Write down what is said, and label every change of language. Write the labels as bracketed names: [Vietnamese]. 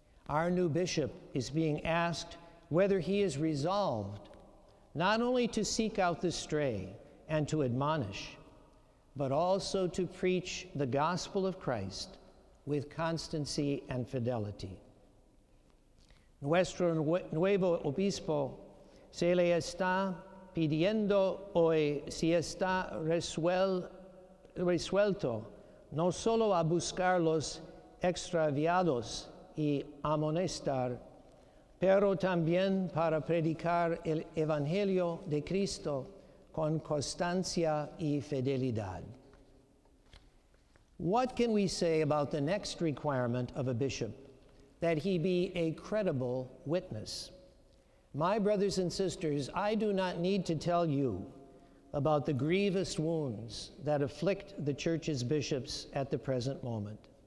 [English] Our new bishop is being asked whether he is resolved not only to seek out the stray and to admonish, but also to preach the gospel of Christ with constancy and fidelity. [Spanish] Nuestro nuevo obispo se le está pidiendo hoy si está resuelto no solo a buscar los extraviados y amonestar, pero también para predicar el Evangelio de Cristo con constancia y fidelidad. [English] What can we say about the next requirement of a bishop, that he be a credible witness? My brothers and sisters, I do not need to tell you about the grievous wounds that afflict the church's bishops at the present moment.